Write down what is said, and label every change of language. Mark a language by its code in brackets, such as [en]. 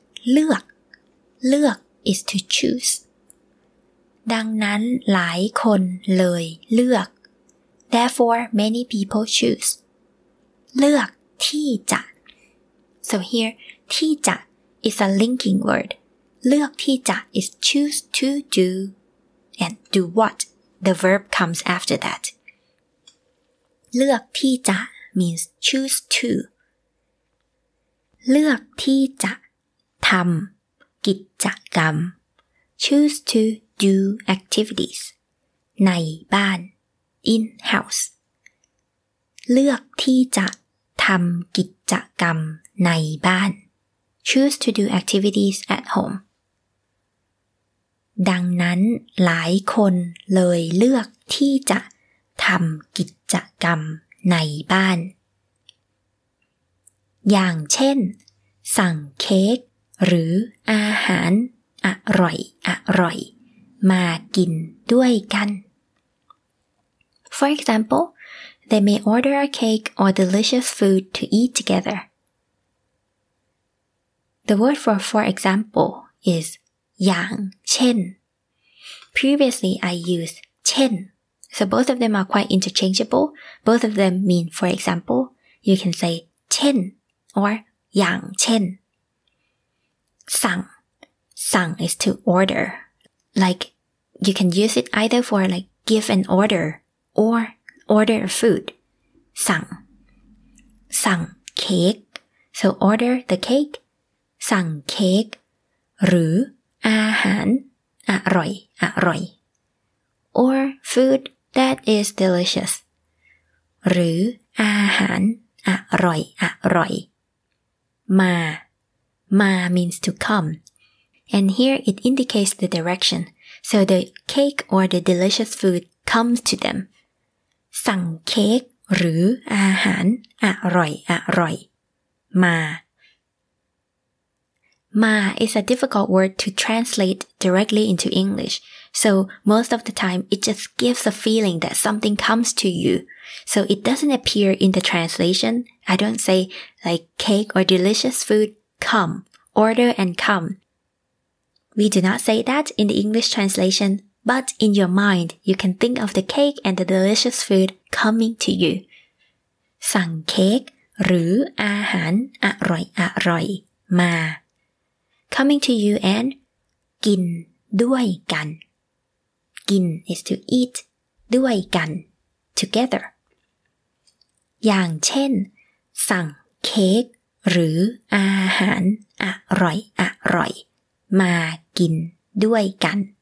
[th] เลือกเลือก [en] is to choose [th] ดังนั้นหลายคนเลยเลือก [en] therefore many people choose [th] เลือกที่จะ [en] so here ที่จะ is a linking word เลือกที่จะ is choose to do and do what the verb comes after that [th] เลือกที่จะ [en] means choose to [th] เลือกที่จะทำกิจกรรม [en] choose to do activities [th] ในบ้าน [en] in house [th] เลือกที่จะทำกิจกรรมในบ้าน [en] choose to do activities at home [th] ดังนั้นหลายคนเลยเลือกที่จะทำกิจกรรมในบ้านอย่างเช่นสั่งเค้กหรืออาหารอร่อยอร่อยมากินด้วยกัน [en] For example, they may order a cake or delicious food to eat together. The word for example is อย่างเช่น Previously I used เช่น So both of them are quite interchangeable. Both of them mean for example. You can say เช่น or [th] อย่างเช่นสั่งสั่ง [en] is to order. Like you can use it either for like give an order or order a food. [th] สั่งสั่งเค้ก [en] So order the cake. [th] สั่งเค้กหรืออาหารอร่อยอร่อย [en] or food that is delicious [th] หรืออาหารอร่อยอร่อย [en] มา means to come and here it indicates the direction so the cake or the delicious food comes to them [th] สั่งเค้กหรืออาหารอร่อยอร่อยมา [en] is a difficult word to translate directly into English. So most of the time, it just gives a feeling that something comes to you. So it doesn't appear in the translation. I don't say like cake or delicious food, come, order and come. We do not say that in the English translation, but in your mind, you can think of the cake and the delicious food coming to you. [th] สั่งเค้กหรืออาหารอร่อยอร่อยมา [en] Coming to you and [th] กินด้วยกัน กิน [en] is to eat [th] ด้วยกัน [en] together [th] อย่างเช่นสั่งเค้กหรืออาหารอร่อยอร่อยมากินด้วยกัน